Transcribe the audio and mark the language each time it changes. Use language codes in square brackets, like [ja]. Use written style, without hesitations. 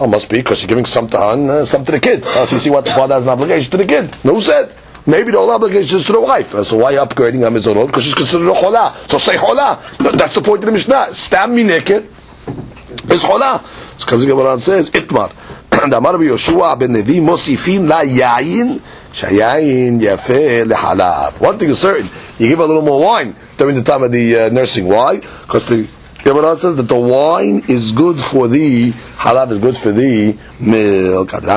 [en] Oh, must be because you're giving some to the kid. So you see what? The father has an obligation to the kid. Who said? Maybe the whole obligation is to the wife. So why are you upgrading a mizonot? Because she's considered a chola. So say chola. No, that's the point of the Mishnah. Stam me naked. It's chola. So comes the Gemara and says, itmar. [he] אמר רבי יהושע בן נביא מוסיפים ליין שהיין יפה לחלב. [en] One thing is certain, you give a little more wine during the time of the nursing. Why? Because the Gemara says that the wine is good for the halav, is good for the milk.